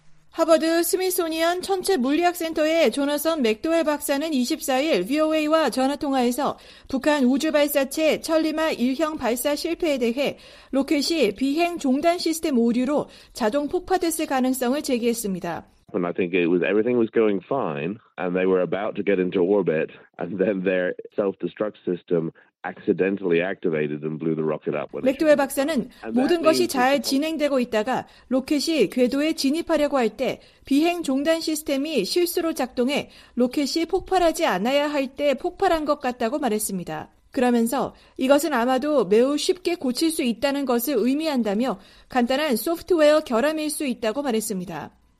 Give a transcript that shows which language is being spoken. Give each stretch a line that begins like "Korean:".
Korean: 하버드 스미소니언 천체 물리학 센터의 조너선 맥도웰 박사는 24일 VOA와 전화통화에서 북한 우주발사체 천리마 1형 발사 실패에 대해 로켓이 비행 종단 시스템 오류로 자동 폭파됐을 가능성을 제기했습니다.
English: And I think it was everything was going fine and they were about to get into orbit and then their self-destruct system accidentally activated and blew the rocket up.
Korean: 맥도웰 박사는 모든 것이 잘 진행되고 있다가 로켓이 궤도에 진입하려고 할 때 비행 종단 시스템이 실수로 작동해 로켓이 폭발하지 않아야 할 때 폭발한 것 같다고 말했습니다. 그러면서 이것은 아마도 매우 쉽게 고칠 수 있다는 것을 의미한다며 간단한 소프트웨어 결함일 수 있다고 말했습니다.